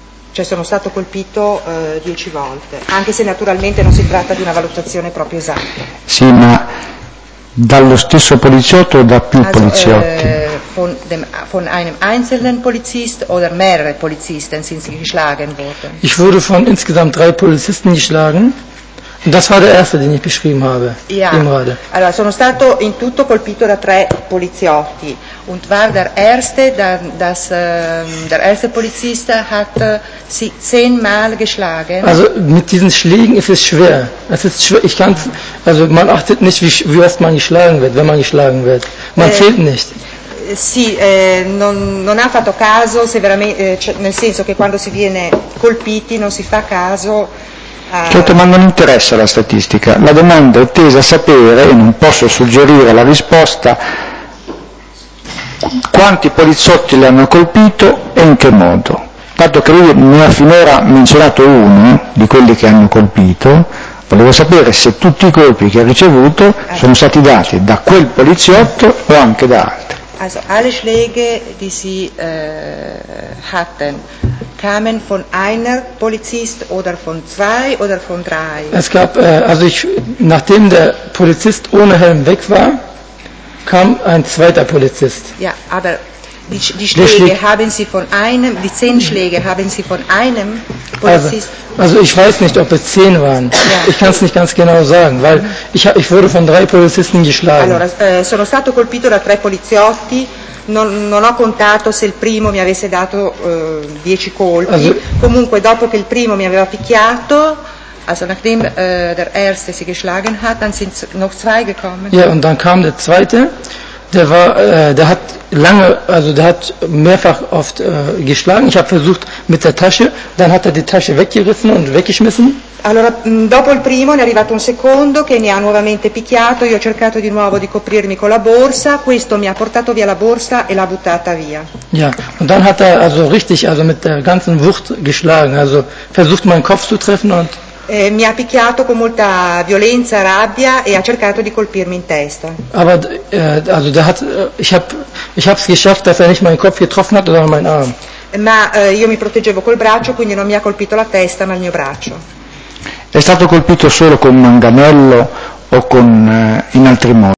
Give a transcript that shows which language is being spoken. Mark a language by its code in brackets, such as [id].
[it] Cioè sono stato colpito 10 volte, anche se naturalmente non si tratta di una valutazione proprio esatta. Sì, ma dallo stesso poliziotto o da più poliziotti? [de] Von einem einzelnen Polizist oder mehrere Polizisten sind sie geschlagen worden. Ich wurde von insgesamt 3 Polizisten geschlagen. Und das war der erste, den ich beschrieben habe. Ja. Gerade. [it] Allora, sono stato in tutto colpito da 3 poliziotti. [de] Und war der erste, der erste Polizist hat sie 10 Mal geschlagen. Also, mit diesen Schlägen ist es schwer. Es ist schwer. Ich kann, also, man achtet nicht, wie oft man geschlagen wird, wenn man geschlagen wird. Man zählt nicht. [it] Sì, non ha fatto caso, se veramente, nel senso che quando si viene colpiti non si fa caso. Certo, ma non interessa la statistica. La domanda è tesa a sapere, e non posso suggerire la risposta, quanti poliziotti le hanno colpito e in che modo. Dato che lui ne ha finora menzionato uno di quelli che hanno colpito, volevo sapere se tutti i colpi che ha ricevuto sono stati dati da quel poliziotto o anche da altri. [de] Also, alle Schläge, die sie hatten, kamen von einer Polizist oder von 2 oder von 3? Es gab, nachdem der Polizist ohne Helm weg war, kam ein zweiter Polizist. Ja, aber die Schläge haben sie von einem, die 10 Schläge haben sie von einem Polizist? Also ich weiß nicht, ob es 10 waren. Ja. Ich kann es nicht ganz genau sagen, weil ich wurde von 3 Polizisten geschlagen. [it] Allora, sono stato colpito da 3 poliziotti. Non ho contato se il primo mi avesse dato 10 colpi. [de] Also, [it] comunque, dopo che il primo mi aveva picchiato, [de] also nachdem der erste sie geschlagen hat, dann sind noch 2 gekommen. Ja, und dann kam der zweite. Der war, der hat mehrfach oft geschlagen. Ich habe versucht mit der Tasche, dann hat er die Tasche weggerissen und weggeschmissen. [it] Allora, dopo il primo è arrivato un secondo che mi ha nuovamente picchiato. Io ho cercato di nuovo di coprirmi con la borsa. Questo mi ha portato via la borsa e l'ha buttata via. [de] Ja, und dann hat er also richtig, also mit der ganzen Wucht geschlagen. Also versucht meinen Kopf zu treffen und [it] Mi ha picchiato con molta violenza, rabbia e ha cercato di colpirmi in testa. [de] Aber also da hat ich habe es geschafft, dass er nicht meinen Kopf getroffen hat, sondern meinen Arm. [it] Ma io mi proteggevo col braccio, quindi non mi ha colpito la testa, ma il mio braccio. È stato colpito solo con un manganello o con in altri modi?